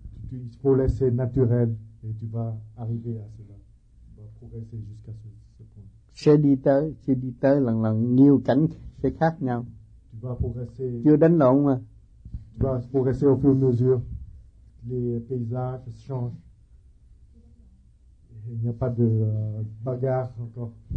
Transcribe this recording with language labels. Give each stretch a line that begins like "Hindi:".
French: Tu peux laisser naturel et tu vas arriver à cela. Tu vas progresser jusqu'à ce point.
Vietnamese: Sẽ đi tới lần lần nhiều cảnh sẽ khác nhau.
French: Tu vas progresser.
Vietnamese: Chưa đánh lộn mà.
French: Tu vas progresser au fur et à mesure. Les paysages changent. Il n'y a pas de bagarre encore.